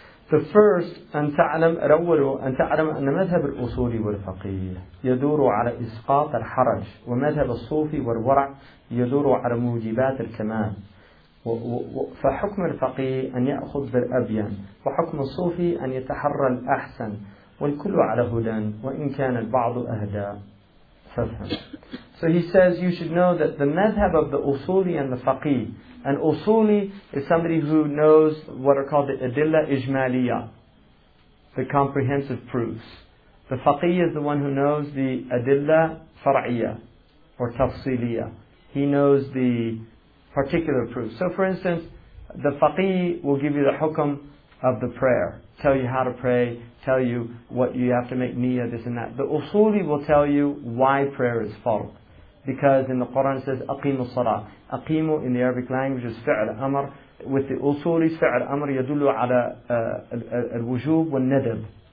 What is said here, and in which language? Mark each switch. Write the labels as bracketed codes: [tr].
[en] The first, [ar] أن تعلم أن مذهب الأصول والفقيه يدور على إسقاط الحرج ومذهب الصوفي والورع يدور على موجبات الكمال. فحكم الفقيه أن يأخذ بالأبين وحكم الصوفي أن يتحرى الأحسن والكل على هدى وإن كان البعض أهدى. [en] So he says you should know that the madhab of the usuli and the faqih. An usuli is somebody who knows what are called the adilla ijmaliya, the comprehensive proofs. The faqih is the one who knows the adilla far'iya or tafsiliya. He knows the particular proofs. So for instance, the faqih will give you the hukum of the prayer, tell you how to pray, tell you what you have to make niyyah, this and that. The usuli will tell you why prayer is fard. Because in the Quran it says, [ar] أَقِيمُ الصَّلَاةِ. [en] أَقِيمُ in the Arabic language is [ar] فِعْلْ أَمَرْ. [en] With the usuli, [ar] فِعْلْ أَمَرْ يَدُلُّ عَلَى الْوُجُوبِ وَالنَّدَبِ.